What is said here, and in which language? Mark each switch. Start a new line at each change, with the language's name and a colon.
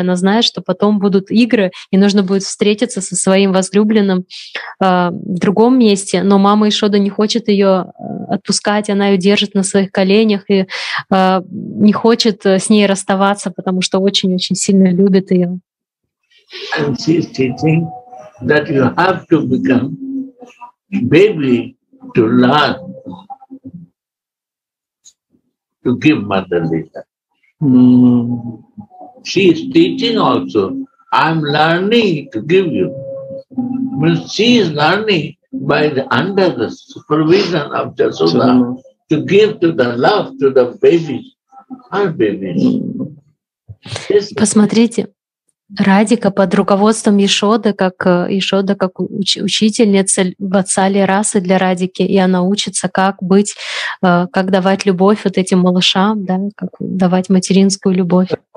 Russian: Она знает, что потом будут игры, и нужно будет встретиться со своим возлюбленным в другом месте. Но мама Ишода не хочет ее отпускать, она ее держит на своих коленях и не хочет с ней расставаться, потому что очень-очень сильно любит ее.
English: And she is teaching that you have to become baby to learn to give mother leela. She is teaching also, I'm learning to give you. But she is learning by the under the supervision of Jasoda to give to the love to the babies, her babies.
Russian: Посмотрите. Радика под руководством Ишоды, как Ишода, как учительница в отцали расы для Радики, и она учится, как быть, как давать любовь вот этим малышам, да, как давать материнскую любовь.